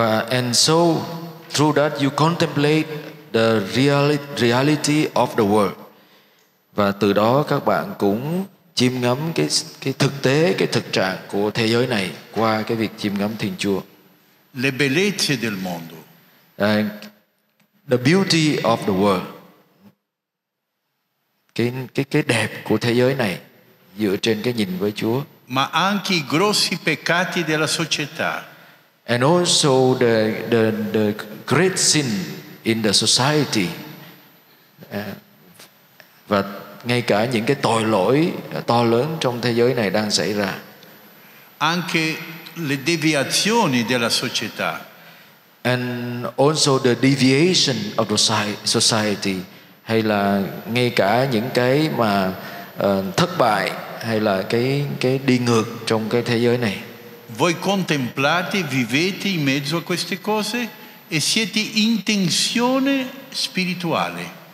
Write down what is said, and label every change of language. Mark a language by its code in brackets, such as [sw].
[en] And so through that you contemplate the reality of the world. [vi] Và từ đó các bạn cũng chiêm ngắm cái thực tế, cái thực trạng của thế giới này qua cái việc chiêm ngắm Thiên Chúa. [it] Le bellezze del mondo. [en] The beauty of the world. [vi] Cái đẹp của thế giới này dựa trên cái nhìn với Chúa. [it] Ma anche i grossi peccati della società. [en] And also the great sin in the society. [vi] Và ngay cả những cái tội lỗi to lớn trong thế giới này đang xảy ra. [it] Anche le deviazioni della società. [en] And also the deviation of the society. [vi] Hay là ngay cả những cái mà thất bại, hay là cái đi ngược trong cái thế giới này. [it] Voi contemplate, vivete in mezzo a queste cose e siete in tensione spirituale.